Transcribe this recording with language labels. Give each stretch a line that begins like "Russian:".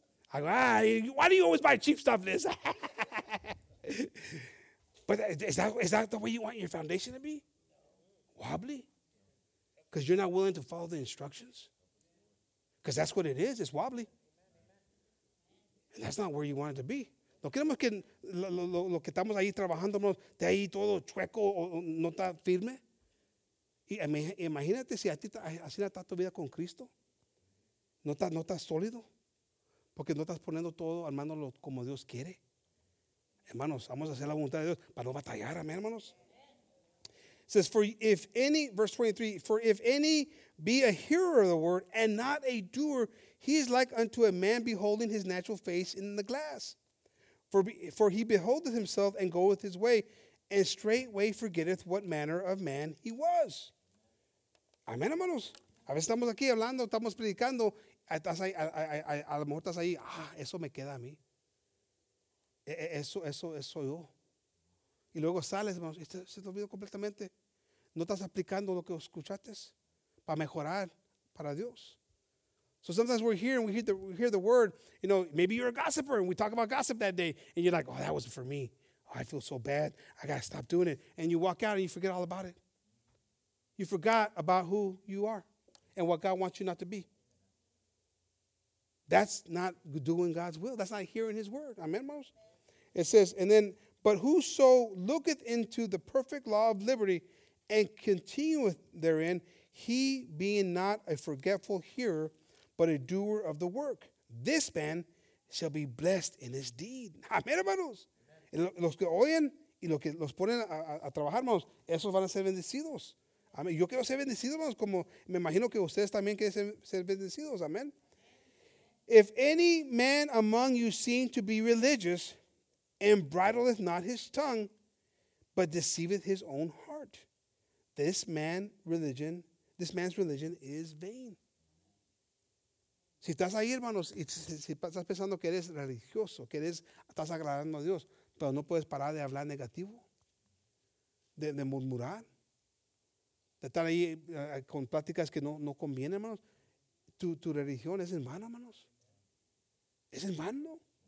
English: I go, why do you always buy cheap stuff, Liz? But is that the way you want your foundation to be? Wobbly? Because you're not willing to follow the instructions? Because that's what it is. It's wobbly. And that's not where you want it to be.
Spanish: No queremos que lo que estamos ahí trabajando de ahí todo chueco o no está firme. Y imagínate si a ti así está tu vida con Cristo. No está sólido. Porque no estás poniendo todo, armándolo como Dios quiere. Hermanos, vamos a hacer la voluntad de Dios para no batallar, amén, hermanos.
English: It says, for if any, verse 23, for if any be a hearer of the word and not a doer, he is like unto a man beholding his natural face in the glass. For he beholdeth himself and goeth his way, and straightway forgetteth what manner of man he was.
Spanish: Amén, hermanos. A veces estamos aquí hablando, estamos predicando, a lo mejor estás ahí, eso me queda a mí. Eso yo. Y luego sales, hermanos, y se te olvidó completamente. No estás aplicando lo que escuchaste. para mejorar para Dios.
English: So sometimes we're here and we hear the word. You know, maybe you're a gossiper and we talk about gossip that day. And you're like, oh, that wasn't for me. Oh, I feel so bad. I got to stop doing it. And you walk out and you forget all about it. You forgot about who you are and what God wants you not to be. That's not doing God's will. That's not hearing his word. Amen, Moses? It says, and then, but whoso looketh into the perfect law of liberty and continueth therein, he being not a forgetful hearer, but a doer of the work, this man shall be blessed in his deed.
Spanish: Amén, hermanos. Los que oyen y los que los ponen a trabajar, hermanos, esos van a ser bendecidos. Amén. Yo quiero ser bendecido, hermanos, como me imagino que ustedes también quieren ser bendecidos. Amén.
English: If any man among you seem to be religious and bridleth not his tongue, but deceiveth his own heart, this man's religion is vain.
Spanish: Si estás ahí, hermanos, y si estás pensando que eres religioso, que eres, estás agradando a Dios, pero no puedes parar de hablar negativo, de murmurar, de estar ahí con pláticas que no convienen, hermanos, tu religión es en vano, hermanos. Es en vano.